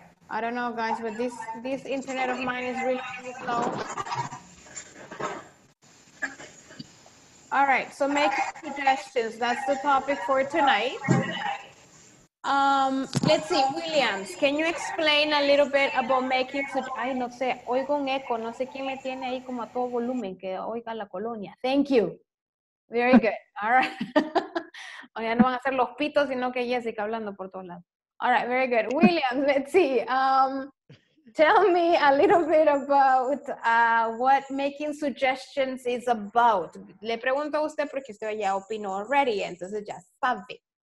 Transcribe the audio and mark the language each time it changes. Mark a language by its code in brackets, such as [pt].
[en] I don't know, guys, but this internet of mine is really, really slow. All right, so make suggestions. That's the topic for tonight. Let's see, Williams, can you explain a little bit about making suggestions? [es] Ay, no sé, oigo un eco. No sé quién me tiene ahí como a todo volumen, que oiga la colonia. [en] Thank you. Very good. All right. [es] Oye, no van a ser los pitos, sino que Jessica hablando por todos lados. [en] All right, very good. William, let's see. Tell me a little bit about what making suggestions is about. [es] Le pregunto a usted porque usted ya opinó already, entonces ya sabe.